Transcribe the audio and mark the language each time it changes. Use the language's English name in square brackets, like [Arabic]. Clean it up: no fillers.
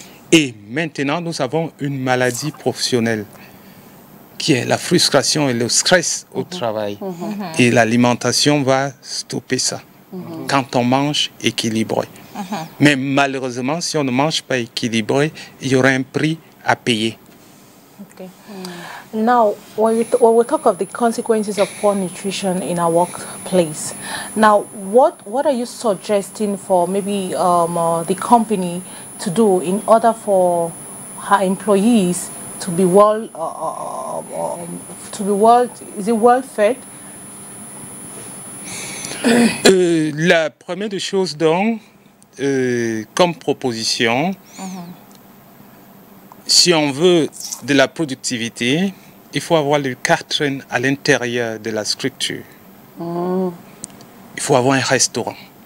[French] Et maintenant, nous avons une maladie professionnelle qui est la frustration et le stress au mmh. travail. Mmh. Et l'alimentation va stopper ça, mmh. quand on mange équilibré. Mmh. Mais malheureusement, si on ne mange pas équilibré, il y aura un prix à payer. Okay. Mmh. [English] Now, when we talk of the consequences of poor nutrition in our workplace, now, what are you suggesting for maybe the company to do in order for her employees to be well, fed. [French] La première des choses donc, comme proposition, si on veut de la productivité, il faut avoir le cadre à l'intérieur de la structure. Il faut avoir un restaurant.